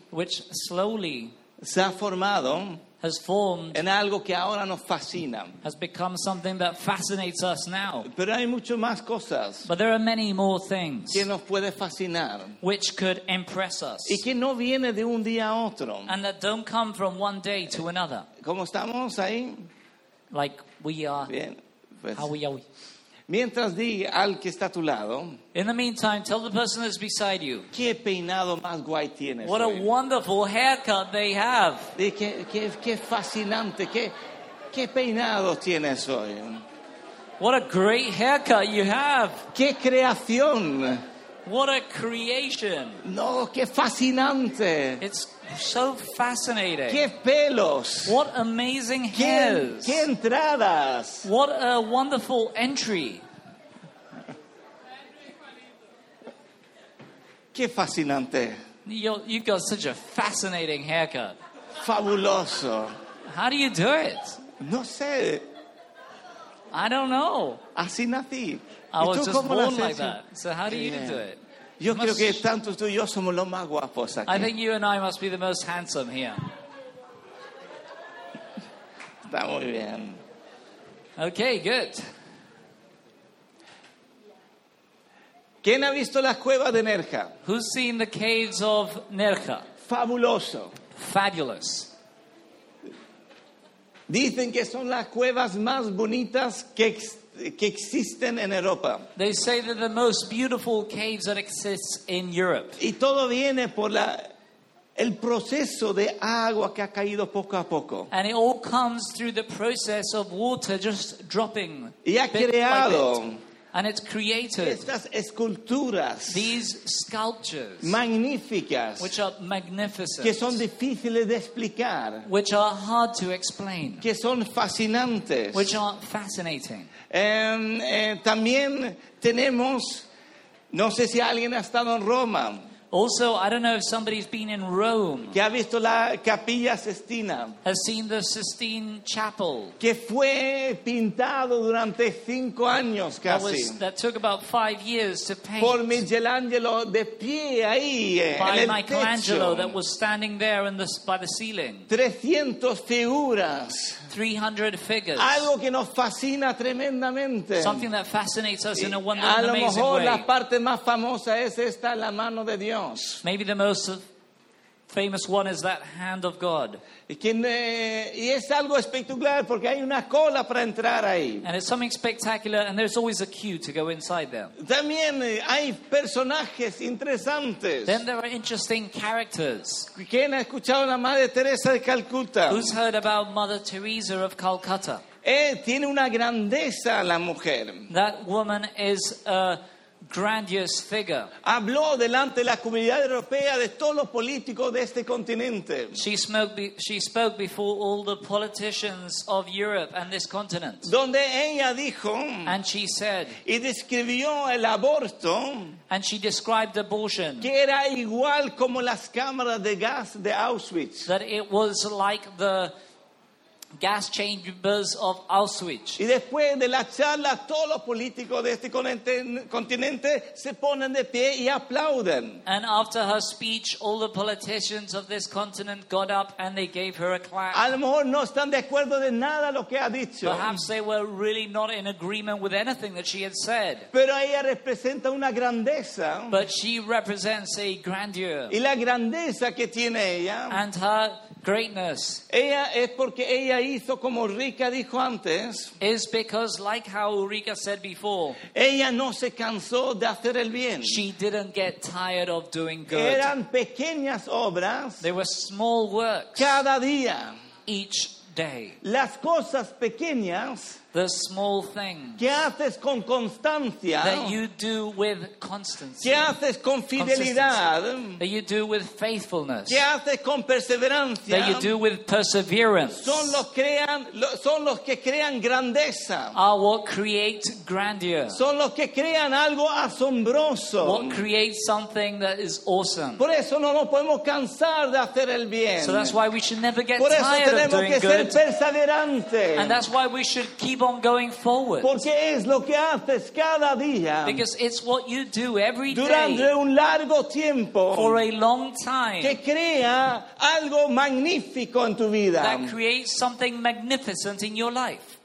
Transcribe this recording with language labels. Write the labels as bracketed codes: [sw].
[en] which slowly [es] se ha formado, [en] has formed, [es] en algo que ahora nos fascina, [en] has become something that fascinates us now. [es] Pero hay mucho más cosas, [en] but there are many more things, [es] que nos puede fascinar, [en] which could impress us, [es] y que no viene de un día a otro, [en] and that don't come from one day to another. [es] ¿Cómo estamos ahí? [en] Like we are. [es] Bien, pues, [en] how are we? [es] Mientras di al que está a tu lado, [en] in the meantime, tell the person that's beside you, [es] qué peinado más guay tienes. [en] What a [es] hoy. [en] Wonderful haircut they have. [es] Y qué fascinante, qué peinado tienes hoy. [en] What a great haircut you have. [es] Qué creación. [en] What a creation. [es] No, qué fascinante. [en] It's so fascinating. [es] Qué pelos. [en] What amazing hairs. [es] Qué entradas. [en] What a wonderful entry. [es] Qué fascinante. [en] You've got such a fascinating haircut. [es] Fabuloso. [en] How do you do it? [es] No sé. [en] I don't know. [es] Así nací. [en] I was just born like that. So how do you do it? [es] Yo creo que tanto tú y yo somos los más guapos aquí. [en] I think you and I must be the most handsome here. [es] Está muy bien. [en] Okay, good. [es] ¿Quién ha visto las cuevas de Nerja? [en] Who's seen the caves of Nerja? [es] Fabuloso. [en] Fabulous. [es] Dicen que son las cuevas más bonitas que existen en Europa. [en] They say that the most beautiful caves that exist in Europe. [es] Y todo viene por el proceso de agua que ha caído poco a poco. [en] And it all comes through the process of water just dropping. [es] Y ha creado. [en] And it's created. [es] Estas esculturas. [en] These sculptures. [es] Magníficas. [en] Which are magnificent. [es] Que son difíciles de explicar. [en] Which are hard to explain. [es] Que son fascinantes. [en] Which are fascinating. [es] También tenemos, no sé si alguien ha estado en Roma. [en] Also, I don't know if somebody's been in Rome. [es] Que ha visto la Capilla Sistina. [en] Has seen the Sistine Chapel. [es] Que fue pintado durante 5 años casi. [en] That took about 5 years to paint. [es] Por Michelangelo de pie ahí. [en] By [es] en Michelangelo techo. [en] That was standing there by the ceiling. [es] 300 figuras. [en] 300 figures. [es] Algo que nos fascina tremendamente. [en] Something that fascinates us in a wonderful, amazing way. [es] A lo mejor la parte más famosa es esta, la mano de Dios. [en] Maybe the most famous one is that hand of God. [es] Y es algo espectacular porque hay una cola para entrar ahí. [en] And it's something spectacular, and there's always a queue to go inside there. [es] También hay personajes interesantes. [en] Then there are interesting characters. [es] ¿Quién ha escuchado la Madre Teresa de Calcuta? [en] Who's heard about Mother Teresa of Calcutta? [es] Tiene una grandeza la mujer. [en] That woman is a grandiose figure. [es] Habló delante de la comunidad europea de todos los políticos de este continente. [en] She spoke before all the politicians of Europe and this continent. [es] Donde ella dijo, [en] and she said, [es] y describió el aborto, [en] and she described abortion, [es] que era igual como las cámaras de gas de Auschwitz. [en] That it was like the gas chambers of Auschwitz. [es] Y después de la charla, todos los políticos de este continente se ponen de pie y aplauden. [en] And after her speech, all the politicians of this continent got up and they gave her a clap. [es] A lo mejor no están de acuerdo de nada lo que ha dicho. [en] Perhaps they were really not in agreement with anything that she had said. [es] Pero ella representa una grandeza. [en] But she represents a grandeur. [es] Y la grandeza que tiene ella. [en] And her greatness. [es] Ella es porque ella hizo como Rica dijo antes. [en] Is because like how Rica said before. [es] Ella no se cansó de hacer el bien. [en] She didn't get tired of doing good. [es] Eran pequeñas obras. [en] They were small works. [es] Cada día. [en] Each day. [es] Las cosas pequeñas. [en] The small things. [es] ¿Qué haces con constancia? [en] That you do with constancy. [es] ¿Qué haces con fidelidad? [en] That you do with faithfulness. [es] ¿Qué haces con perseverancia? [en] That you do with perseverance. [es] Son los crean, son los que crean grandeza. [en] Are what create grandeur. [es] Son los que crean algo asombroso. [en] What create something that is awesome. [es] Por eso no nos podemos cansar de hacer el bien. [en] So that's why we should never get tired of doing good. [es] Por eso tenemos que ser perseverantes. [en] And that's why we should keep on going forward. [es] Porque es lo que haces cada día. [en] Because it's what you do every [es] durante Durante un largo tiempo. [en] For a long time. [es] Que crea algo magnífico en tu vida. [en] That creates something magnificent in your life.